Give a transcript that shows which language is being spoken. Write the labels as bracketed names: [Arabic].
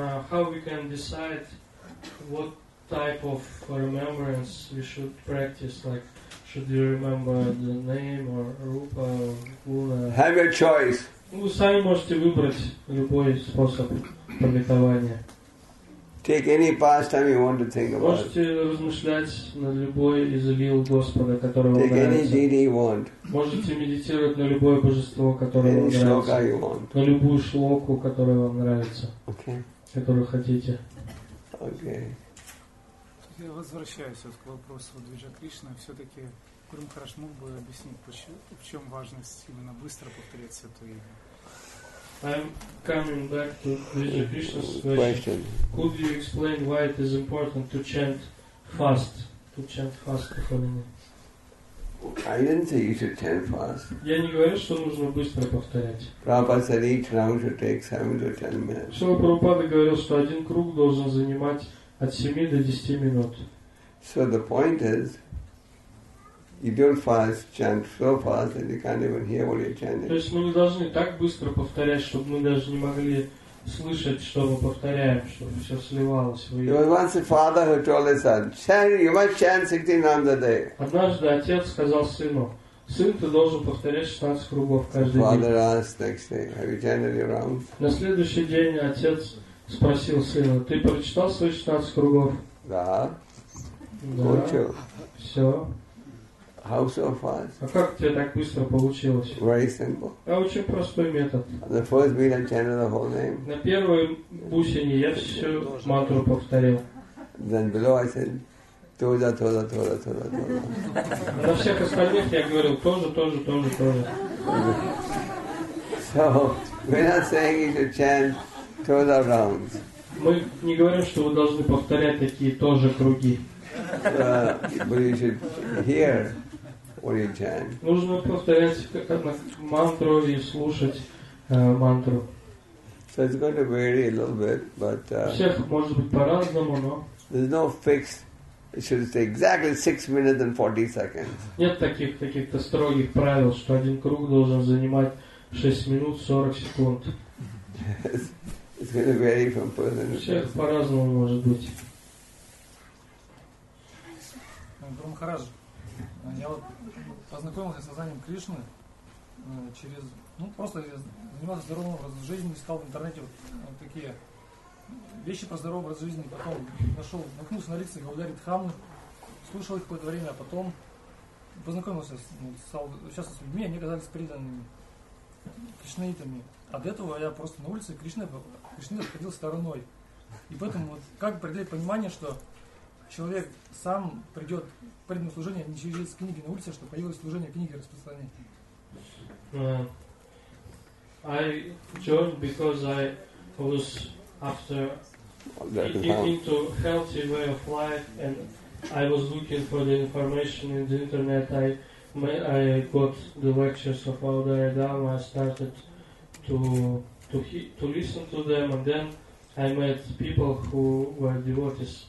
[English] How we can decide what type of remembrance we should practice, like should you remember the name or Rupa or Guna? Have your choice. [Russian] Вы сами можете выбрать любой способ памятования. [English] Take any pastime you want to think about. [Russian] Можете размышлять над любой из вил Господа, которого [English] Take [Russian] вам нравится. [English] Take any deity you want. [Russian] Можете медитировать на любое божество, которое [English] any [Russian] вам нравится. [English] Any shloka you want. [Russian] На любую шлоку, которая вам нравится. [English] Okay. [Russian] Которую хотите. [English] Okay. [Russian] Я возвращаюсь вот к вопросу Двиджа Кришны. Все-таки Гуру Махарадж мог бы объяснить, почему, в чем важность именно быстро повторять святое имя? [English] I'm coming back to Vijay Krishna's question. Could you explain why it is important to chant fast? To chant fast for me. I didn't say you should chant fast. [Russian] Я не говорю, что нужно быстро повторять. [English] Prabhupada said each round should take 7 to 10 minutes. [Russian] Шрила Прабхупада говорил, что один круг должен занимать от 7 до 10 минут. [English] So the point is, you don't fast, chant so fast that you can't even hear what you're chanting. [Russian] То есть мы не должны так быстро повторять, чтобы мы даже не могли слышать, что мы повторяем, чтобы все сливалось. [English] There was once a father who told his son, "Chant, you must chant 16 rounds a day." [Russian] Однажды отец сказал сыну, сын, ты должен повторять 16 кругов каждый [English] father [Russian] день. [English] Father asked next day, "Have you chanted your rounds?" [Russian] На следующий день отец спросил сына, ты прочитал свои 16 кругов? Да. Получил. Все. [English] How so fast? [Russian] А как у тебя так быстро получилось? [English] Very simple. [Russian] Это очень простой метод. [English] The first beat I chanted the whole name. [Russian] На первой бусине я всю мантру повторил. [English] Then below I said, [Russian] тоже, тоже, тоже, тоже, тоже. На всех остальных я говорил, тоже, тоже, тоже, тоже. [English] So, we're not saying you should chant [Russian] тоже [English] rounds. [Russian] Мы не говорим, что вы должны повторять такие тоже круги. [English] But you should hear what you chant. [Russian] Нужно повторять мантру и слушать мантру. [English] So it's going to vary a little bit, but [Russian] всех может быть по-разному, но [English] there's no fixed. It should take exactly 6 minutes and 40 seconds. [Russian] Нет таких-то строгих правил, что один круг должен занимать 6 минут 40 секунд. [English] It's going to vary from person to person. [Russian] Всех по-разному может быть. Гуру Махарадж, я вот познакомился с сознанием Кришны через, ну просто я занимался здоровым образом жизни, искал в интернете вот, вот такие вещи про здоровый образ жизни, потом нашел, наткнулся на лекции Гаудари Дхамы, слушал их какое-то время, а потом познакомился с, ну, сейчас с людьми, они казались преданными кришнаитами. А до этого я просто на улице Кришны ходил стороной. И поэтому вот как придать понимание, что человек сам придет к преданному служению, а не через книги на улице, что появилось служение книги распространения. [English] I joined because I was after into healthy way of life and I was looking for the information in the internet. I got the lectures of Audhaya Dhamma, I started to listen to them, and then I met people who were devotees.